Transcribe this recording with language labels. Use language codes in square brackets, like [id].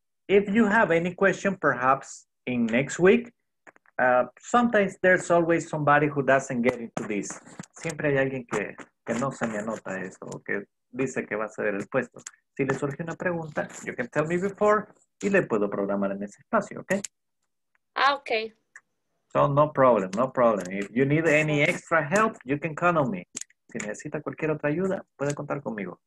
[en] If you have any question, perhaps in next week, sometimes there's always somebody who doesn't get into this. [es] Siempre hay alguien que no se me anota esto o que dice que va a ceder el puesto. Si le surge una pregunta, [en] you can tell me before [es] y le puedo programar en ese espacio, ¿ok? [en] Ah, ok. So no problem, no problem. If you need any extra help, you can count on me. [es] Si necesita cualquier otra ayuda, puede contar conmigo.